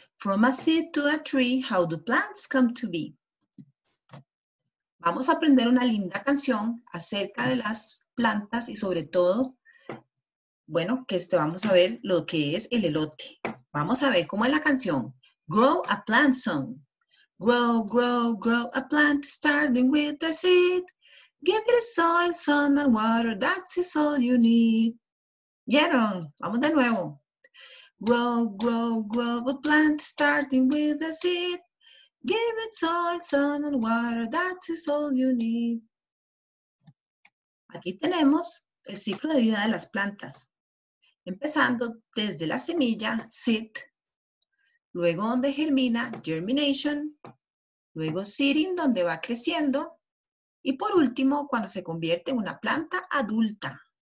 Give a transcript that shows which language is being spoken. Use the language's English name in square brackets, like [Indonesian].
[English] From a seed to a tree, how do plants come to be? [Spanish] Vamos a aprender una linda canción acerca de las plantas y sobre todo, bueno, que vamos a ver lo que es el elote. Vamos a ver cómo es la canción. [English] Grow a plant song. Grow, grow, grow a plant, starting with a seed. Give it a soil, sun, and water, that's all you need. [Spanish] ¿Vieron? Vamos de nuevo. [English] Grow, grow, grow a plant, starting with a seed. Give it soil, sun, and water, that's all you need. [Spanish] Aquí tenemos el ciclo de vida de las plantas. Empezando desde la semilla, seed. Luego donde germina, germination. Luego seeding, donde va creciendo. Y por último, cuando se convierte en una planta adulta.